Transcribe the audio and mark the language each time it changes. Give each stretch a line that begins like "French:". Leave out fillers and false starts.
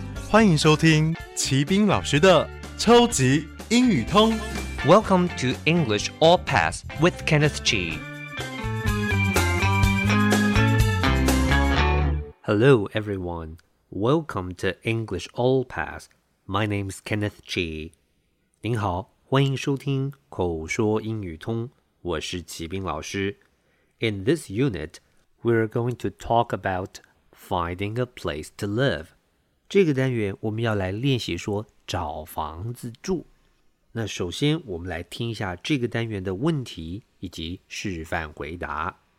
Chinese: 欢迎收听齐宾老师的超级英语通。
English: Welcome to English All Pass with Kenneth G. Hello, everyone. Welcome to English All Pass. My name's Kenneth G.
Chinese: 您好，欢迎收听口说英语通。我是齐宾老师。
English: In this unit, we're going to talk about finding a place to live.
Chinese: 这个单元我们要来练习说找房子住。那首先我们来听一下这个单元的问题以及示范回答。